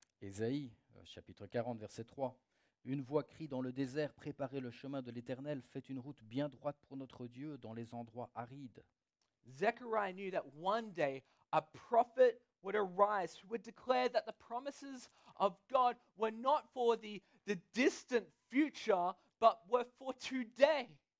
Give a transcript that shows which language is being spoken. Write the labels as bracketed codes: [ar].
[fr] Ésaïe, chapitre 40, verset 3. Une voix crie dans le désert, préparez le chemin de l'Éternel, faites une route bien droite pour notre Dieu dans les endroits arides. [en] Zechariah knew that one day a prophet would arise who would declare that the promises of God were not for the distant future, but were for today.